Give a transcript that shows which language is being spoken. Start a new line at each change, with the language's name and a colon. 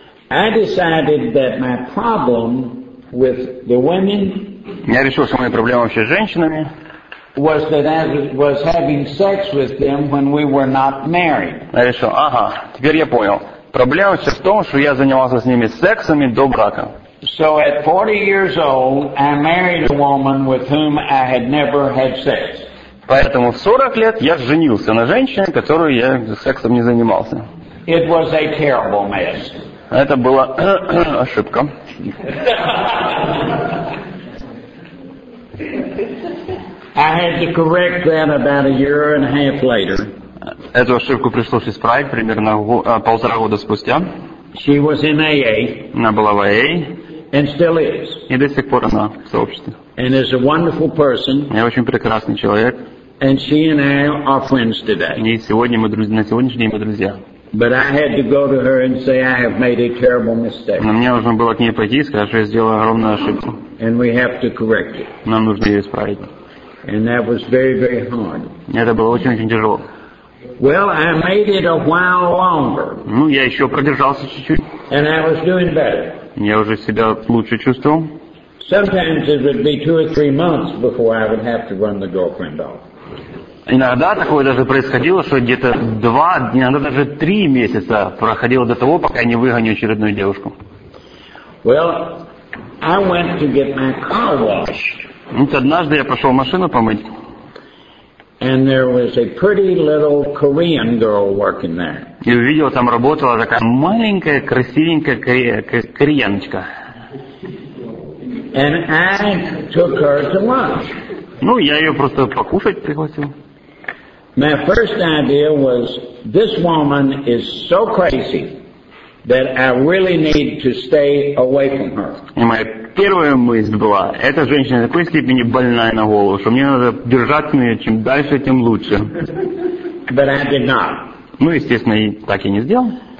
English: I decided that my problem with the women.
Russian: Я решил, что моя проблема вообще с женщинами.
English: Was that I was having sex with them when we were not married.
Russian: Я решил, ага, теперь я понял. Проблема все в том, что я занимался с ними сексами до брака.
English: So at 40 years old, I married a woman with whom I had never had sex.
Russian: Поэтому в 40 лет я женился на женщине, которую я сексом не занимался.
English: It was a terrible mess.
Russian: Это была ошибка.
English: I had to correct that about a year and a half later.
Russian: Эту ошибку пришлось исправить примерно полтора года спустя.
English: She was in AA.
Russian: Она была в AA.
English: And still is.
Russian: И до сих пор она в сообществе.
English: And is a wonderful person.
Russian: И очень прекрасный человек.
English: And she and I are friends today.
Russian: И сегодня мы друзья, на сегодняшний день мы друзья.
English: But I had to go to her and say I have made a terrible mistake.
Russian: Но мне нужно было к ней пойти и сказать, что я сделал огромную ошибку.
English: And we have to correct it.
Russian: Нам нужно ее исправить.
English: And that was very, very hard.
Russian: Это было очень-очень тяжело.
English: Well, I made it a while longer.
Russian: Ну, я еще продержался чуть-чуть.
English: And I was doing better.
Russian: Я уже себя лучше чувствовал.
English: Sometimes it would be 2 or 3 months before I would have to run the girlfriend off.
Russian: Иногда такое даже происходило, что где-то 2, иногда даже 3 месяца проходило до того, пока я не выгоню очередную девушку.
English: Well, I went to get my car washed.
Russian: Вот однажды я пошел машину помыть.
English: And there was a pretty little Korean girl working there.
Russian: И увидел, там работала такая маленькая, красивенькая кореяночка.
English: And I took her to lunch.
Russian: Ну, я ее просто покушать пригласил.
English: My first idea was, this woman is so crazy that I really need to stay away from her.
Russian: И моя первая мысль была, эта женщина в такой степени больная на голову, что мне надо держать ее, чем дальше, тем лучше.
English: But I did not.
Russian: Ну, естественно, и так я не сделал.